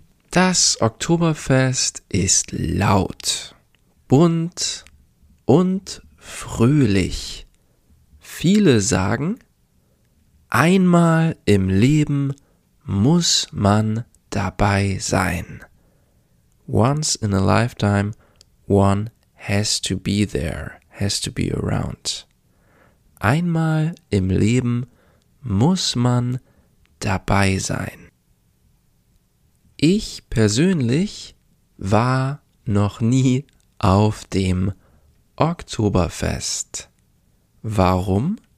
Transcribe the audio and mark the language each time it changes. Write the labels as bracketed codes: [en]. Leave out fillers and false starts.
[de] Das Oktoberfest ist laut, bunt und fröhlich. Viele sagen, einmal im Leben muss man dabei sein. [en] Once in a lifetime, one has to be there, has to be around. [de] Einmal im Leben muss man dabei sein. Ich persönlich war noch nie auf dem Oktoberfest. Warum?